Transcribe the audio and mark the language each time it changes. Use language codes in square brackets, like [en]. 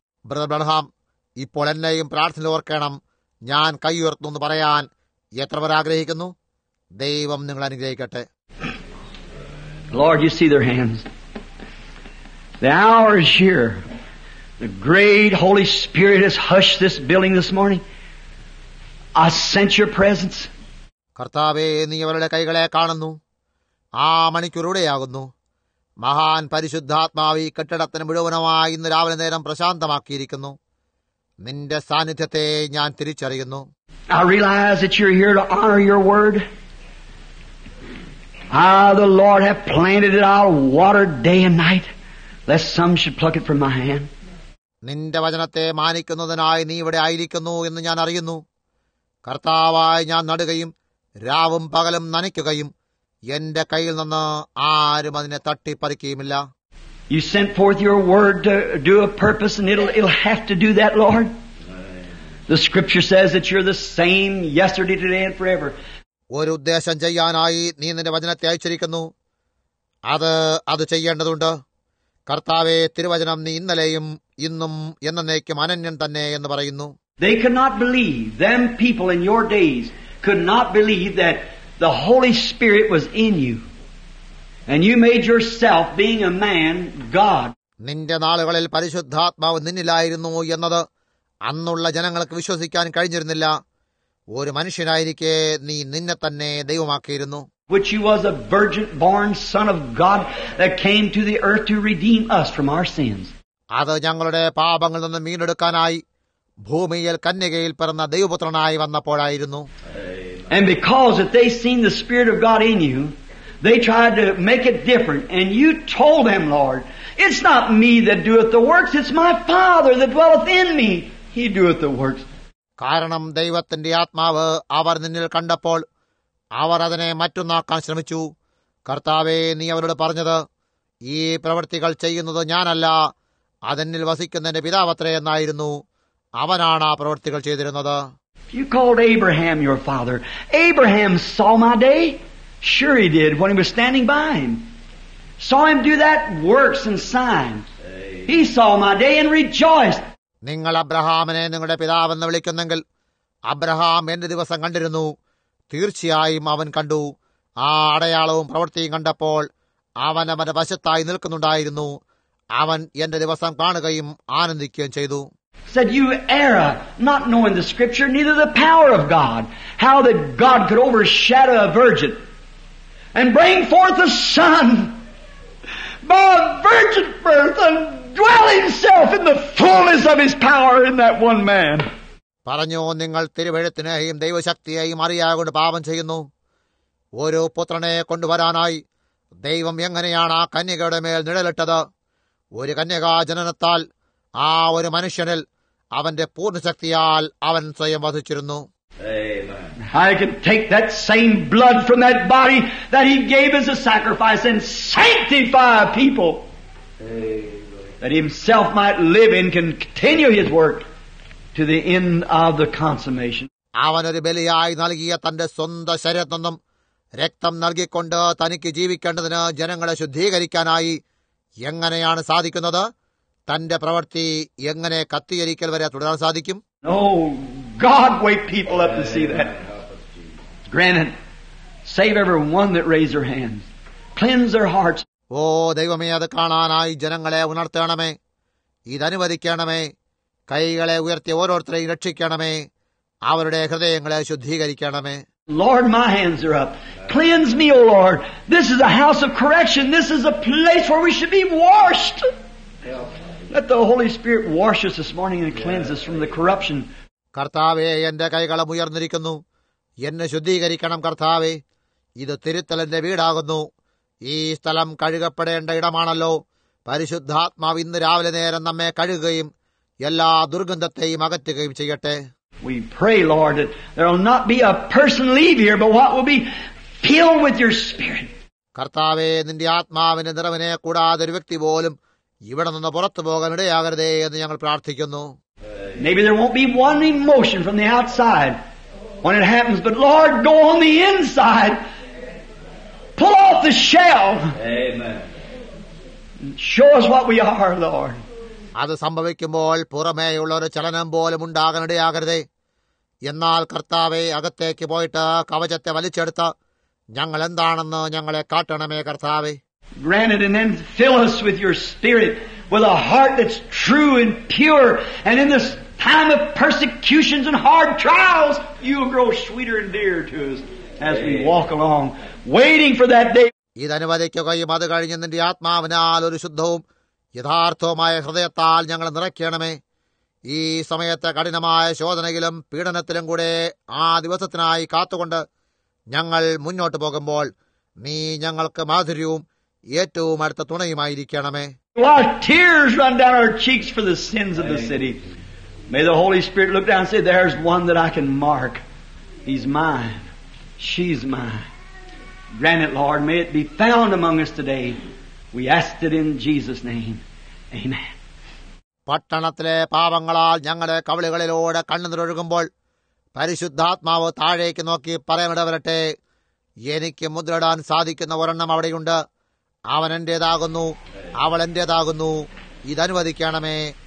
[ml] Brother ബ്രഹാം, ഇപ്പോൾ എന്നെയും പ്രാർത്ഥന ഓർക്കണം. ഞാൻ കൈയുയർത്തുന്നു എന്ന് പറയാൻ എത്ര പേർ ആഗ്രഹിക്കുന്നു? ദൈവം നിങ്ങൾ അനുഗ്രഹിക്കട്ടെ. [en] Lord, you see their hands. The hour is here. The great Holy Spirit has hushed this building this morning. I sense your presence. [ml] കർത്താവെ, നീ അവരുടെ കൈകളെ കാണുന്നു. ആ മണിക്കൂറുകളെയാകുന്നു. മഹാൻ പരിശുദ്ധാത്മാവ് ഈ കെട്ടിടത്തിന് മുഴുവനുമായി ഇന്ന് രാവിലെ നേരം പ്രശാന്തമാക്കിയിരിക്കുന്നു. നിന്റെ സാന്നിധ്യത്തെ ഞാൻ തിരിച്ചറിയുന്നു. [en] I realize that you're here to honor your word. The Lord have planted it out, watered day and night, lest some should pluck it from my hand. [ml] നിന്റെ വചനത്തെ മാനിക്കുന്നതിനായി നീ ഇവിടെ ആയിരിക്കുന്നു എന്ന് ഞാൻ അറിയുന്നു. കർത്താവായി ഞാൻ നടുകയും രാവും പകലും നനയ്ക്കുകയും എന്റെ കയ്യിൽ നിന്ന് ആരും അതിനെ തട്ടിപ്പറിക്കുകയുമില്ല. [en] You sent forth your word to do a purpose and it'll have to do that, Lord. The scripture says that you're the same yesterday, today and forever. [ml] ഒരു ഉദ്ദേശം ചെയ്യാനായി നീ നിന്റെ വചനത്തെ അയച്ചിരിക്കുന്നു. അത് ചെയ്യേണ്ടതുണ്ട്. കർത്താവെ, തിരുവചനം നീ ഇന്നലെയും ഇന്നും എന്നേക്കും അനന്യം തന്നെ എന്ന് പറയുന്നു. [en] They could not believe, them people in your days could not believe that the Holy Spirit was in you. And you made yourself, being a man, God. [ml] നിന്റെ നാളുകളിൽ പരിശുദ്ധാത്മാവ് നിന്നിലായിരുന്നു എന്നത് അന്നുള്ള ജനങ്ങൾക്ക് വിശ്വസിക്കാൻ കഴിഞ്ഞിരുന്നില്ല. ഒരു മനുഷ്യനായിരിക്കെ നീ നിന്നെ തന്നെ ദൈവമാക്കിയിരുന്നു. [en] Which he was a virgin born son of God that came to the earth to redeem us from our sins. [ml] അത് ഞങ്ങളുടെ പാപങ്ങളിൽ നിന്ന് മീണ്ടെടുക്കാനായി ഭൂമിയിൽ കന്യകയിൽ പിറന്ന ദൈവപുത്രനായി വന്നപ്പോഴായിരുന്നു. [en] And because if they seen the Spirit of God in you, they tried to make it different, and you told them, Lord, it's not me that doeth the works, it's my Father that dwelleth in me. He doeth the works. [ml] കാരണം ദൈവത്തിന്റെ ആത്മാവ് അവർ നിന്നിൽ കണ്ടപ്പോൾ അവർ അതിനെ മറ്റൊന്നാക്കാൻ ശ്രമിച്ചു. കർത്താവെ, നീ അവരോട് പറഞ്ഞത് ഈ പ്രവൃത്തികൾ ചെയ്യുന്നത് ഞാനല്ല, അതിനിൽ വസിക്കുന്നതിന്റെ പിതാവത്രേ എന്നായിരുന്നു. അവനാണ് ആ പ്രവൃത്തികൾ ചെയ്തിരുന്നത്. [en] You called Abraham your father. Abraham saw my day. Sure he did when he was standing by him. Saw him do that works and signs. He saw my day and rejoiced. [ml] നിങ്ങൾ അബ്രഹാമിനെ നിങ്ങളുടെ പിതാവ് എന്ന് വിളിക്കുന്നെങ്കിൽ Abraham എന്റെ ദിവസം കണ്ടിരുന്നു. തീർച്ചയായും അവൻ കണ്ടു. ആ അടയാളവും പ്രവൃത്തിയും കണ്ടപ്പോൾ അവൻ അവന്റെ വശത്തായി നിൽക്കുന്നുണ്ടായിരുന്നു. അവൻ എന്റെ ദിവസം കാണുകയും ആനന്ദിക്കുകയും ചെയ്തു. [en] Said, you error, not knowing the scripture, neither the power of God, how that God could overshadow a virgin and bring forth a son by a virgin birth and dwell himself in the fullness of his power in that one man. [ml] പറഞ്ഞു, നിങ്ങൾ തിരുവെഴുത്തിനെയും ദൈവശക്തിയെയും അറിയാകൊണ്ട് പാപം ചെയ്യുന്നു. ഒരു പുത്രനെ കൊണ്ടുവരാനായി ദൈവം എങ്ങനെയാണ് ആ കന്യകയുടെ മേൽ നിഴലിട്ടത്? ഒരു കന്യകാ ജനനത്താൽ ആ ഒരു മനുഷ്യനിൽ അവന്റെ പൂർണ്ണശക്തിയാൽ അവൻ സ്വയം വസിച്ചിരുന്നു. [en] I can take that same blood from that body that he gave as a sacrifice and sanctify people. Amen. That himself might live and continue his work to the end of the consummation. [ml] അവനൊരു ബലിയായി നൽകിയ തന്റെ സ്വന്തം ശരീരത്തിൽ നിന്നും രക്തം നൽകിക്കൊണ്ട് തനിക്ക് ജീവിക്കേണ്ടതിന് ജനങ്ങളെ ശുദ്ധീകരിക്കാനായി എങ്ങനെയാണ് സാധിക്കുന്നത്? തന്റെ പ്രവൃത്തി എങ്ങനെ കത്തിയരിക്കൽ വരെ തുടരാൻ സാധിക്കും? [en] Oh, God, wake people up to see that. Granted, save everyone that raised their hands. Cleanse their hearts. [ml] ഓ ദൈവമേ, അത് കാണാനായി ജനങ്ങളെ ഉണർത്തണമേ, ഇതനുവദിക്കണമേ, കൈകളെ ഉയർത്തി ഓരോരുത്തരെയും രക്ഷിക്കണമേ, അവരുടെ ഹൃദയങ്ങളെ ശുദ്ധീകരിക്കണമേ. [en] Lord, my hands are up. Cleanse me, O Lord. This is a house of correction. This is a place where we should be washed. Let the Holy Spirit wash us this morning and cleanse us from the corruption. [ml] കർത്താവെ, എന്റെ കൈകളം ഉയർന്നിരിക്കുന്നു, എന്നെ ശുദ്ധീകരിക്കണം. കർത്താവെ, ഇത് തിരുത്തലിന്റെ വീടാകുന്നു. ഈ സ്ഥലം കഴുകപ്പെടേണ്ട ഇടമാണല്ലോ. പരിശുദ്ധാത്മാവ് ഇന്ന് രാവിലെ നേരം നമ്മെ കഴുകുകയും എല്ലാ ദുർഗന്ധത്തെയും അകറ്റുകയും ചെയ്യട്ടെ. [en] We pray, Lord, that there will not be a person leave here, but what will be filled with your Spirit. [ml] കർത്താവെ, നിന്റെ ആത്മാവിന്റെ നിറവിനെ കൂടാതെ ഒരു വ്യക്തി പോലും ഇവിടെ നിന്ന് പുറത്തു പോകാൻ ഇടയാകരുതേ എന്ന് ഞങ്ങൾ പ്രാർത്ഥിക്കുന്നു. [en] Maybe there won't be one emotion from the outside when it happens, but Lord, go on the inside. Pull off the shell. Amen. Show us what we are, Lord. [ml] അത് സംഭവിക്കുമ്പോൾ പുറമേയുള്ള ഒരു ചലനം പോലും ഉണ്ടാകാൻ ഇടയാകരുതേ. എന്നാൽ കർത്താവെ, അകത്തേക്ക് പോയിട്ട് കവചത്തെ വലിച്ചെടുത്ത് ഞങ്ങൾ എന്താണെന്ന് ഞങ്ങളെ കാട്ടണമേ കർത്താവെ. [en] Grant it and then fill us with your Spirit, with a heart that's true and pure, and in this time of persecutions and hard trials, you will grow sweeter and dearer to us as we walk along, waiting for that day. [ml] ഇതനുവദിക്കുകയും അത് കഴിഞ്ഞ് നിന്റെ ആത്മാവിനാൽ ഒരു ശുദ്ധവും യഥാർത്ഥവുമായ ഹൃദയത്താൽ ഞങ്ങളെ നിറയ്ക്കണമേ. ഈ സമയത്തെ കഠിനമായ ശോധനയിലും പീഡനത്തിലും കൂടെ ആ ദിവസത്തിനായി കാത്തുകൊണ്ട് ഞങ്ങൾ മുന്നോട്ട് പോകുമ്പോൾ നീ ഞങ്ങൾക്ക് മാധുര്യവും ഏറ്റവും അടുത്ത തുണയുമായിരിക്കണമേ. [en] While tears run down our cheeks for the sins of the city, may the Holy Spirit look down and say, there's one that I can mark. He's mine. She's mine. Grant it, Lord. May it be found among us today. We ask it in Jesus' name. Amen. [ml] പട്ടണത്തിലെ പാപങ്ങളാൽ ഞങ്ങളുടെ കവിളുകളിലൂടെ കണ്ണുനീരൊഴുകുമ്പോൾ പരിശുദ്ധാത്മാവ് താഴേക്ക് നോക്കി പറയണിടവരട്ടെ, എനിക്ക് മുദ്രയിടാൻ സാധിക്കുന്ന ഒരെണ്ണം അവിടെയുണ്ട്. അവൻ എന്റേതാകുന്നു, അവൾ എന്റേതാകുന്നു. ഇതനുവദിക്കണമേ.